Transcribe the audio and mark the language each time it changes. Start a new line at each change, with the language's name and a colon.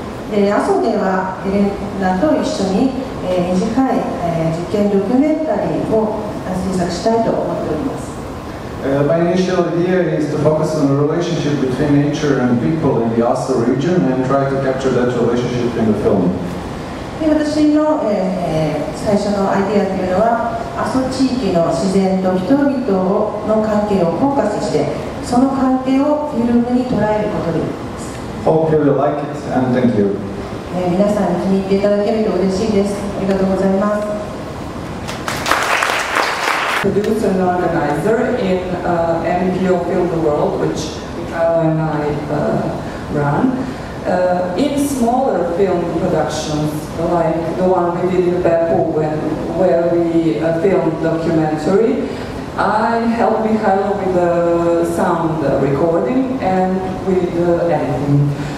Japanese: で、ASO では、ヘレナと一緒に、短い、実験ドキュメンタリーを制作したいと思っております。
English: My initial idea is to focus on the relationship between nature and people in the Aso region and try to capture that relationship in the film.
Japanese: 私の、最初のアイデアというのは、阿蘇地域の自然と人々の関係をフォーカスして、その関係をフィルムに捉えることです。
English: Hope you will like it and thank you.
Japanese: 皆さんに気に入っていただけると嬉しいです。ありがとうございます。
English: Producer and organizer in NPO Film the World, which and I run. In smaller film productions, like the one we did in Beppu, where we filmed documentary, I helped Mihailo with the sound recording and with the editing.